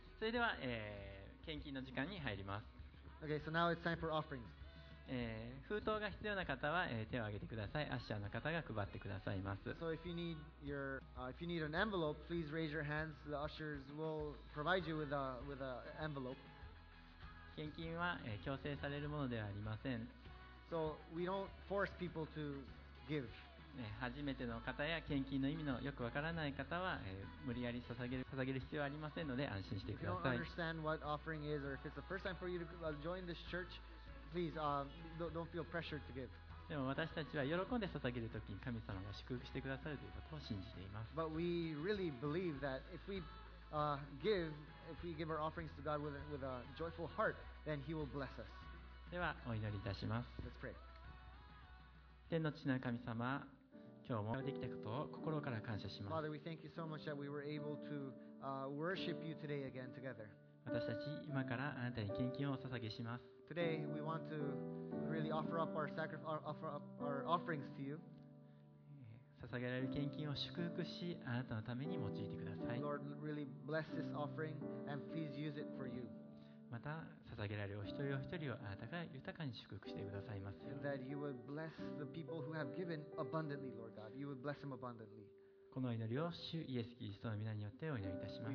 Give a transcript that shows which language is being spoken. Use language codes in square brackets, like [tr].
[ja] それでは、献金の時間に入ります。 [en] Okay, so now it's time for offerings. [ja] 封筒が必要な方は、手を挙げてください。アッシャーの方が配ってくださいます。 [en] So if you need your, if you need an envelope, please raise your hands. The ushers will provide you with a envelope. [ja] 献金は、強制されるものではありません。 [en] So we don't force people to give. [ja] 初めての方や献金の意味のよくわからない方は、無理やり捧げる必要はありませんので安心してください。 [en] If you don't understand what offering is or if it's the first time for you to join this church, please, don't feel pressured to give. [ja] でも私たちは喜んで捧げるときに神様が祝福してくださるということを信じています。 [en] But we really believe that if we, give, if we give our offerings to God with a joyful heart, then He will bless us. [ja] ではお祈りいたします。 [en] Let's pray. [ja] 天の父なる神様、今日もできたことを心から感謝します。 [en] Father, we thank you so much that we were able to worship you today again together. [ja] 私たち今からあなたに献金を捧げします。 [en] Today we want to really offer up our sacrifice, offer up our offerings to you. [ja] 捧げられる献金を祝福し、あなたのために用いてください。 [en] Lord, really bless this offering and please use it for you. [ja] また捧げられるお一人お一人をあなたが豊かに祝福してくださいますように。 [en] That you would bless the people who have given abundantly, Lord God. You would bless them abundantly. [ja] この祈りを主イエスキリストの御名によってお祈りいたします。